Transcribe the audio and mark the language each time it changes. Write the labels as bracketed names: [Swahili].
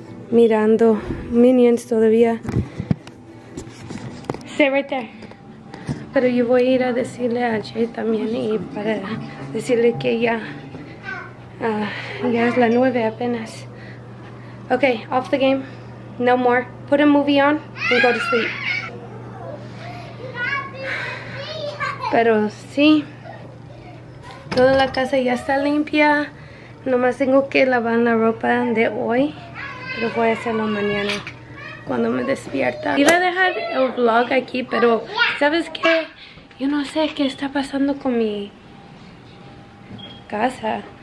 [Spanish] Mirando Minions todavía. [English] Stay right there. [Spanish] Pero yo voy a ir a decirle a Jay también y para decirle que ya es la 9 apenas. [English] Ok, off the game. No more. Put a movie on and go to sleep. [Spanish] Pero sí, toda la casa ya está limpia. Nomás tengo que lavar la ropa de hoy. Pero voy a hacerlo mañana cuando me despierta. Iba a dejar el vlog aquí, pero ¿sabes qué? Yo no sé qué está pasando con mi casa.